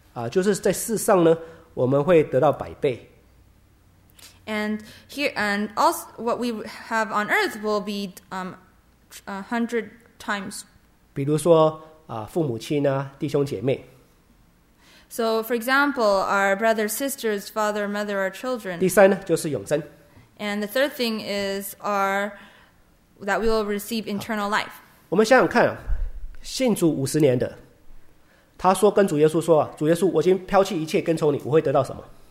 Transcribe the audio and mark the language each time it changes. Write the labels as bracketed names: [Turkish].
[Chinese] 就是在世上呢，我们会得到百倍。 [English] And here and also what we have on earth will be a hundred times. [Chinese] 比如说父母亲啊，弟兄姐妹。 [English] So, for example, our brothers, sisters, father, mother, our children. [Chinese] 第三呢，就是永生。 [English] And the third thing is that we will receive eternal life. [Chinese] 我们想想看，信主五十年的，他说跟主耶稣说，主耶稣，我已经抛弃一切跟从你，我会得到什么？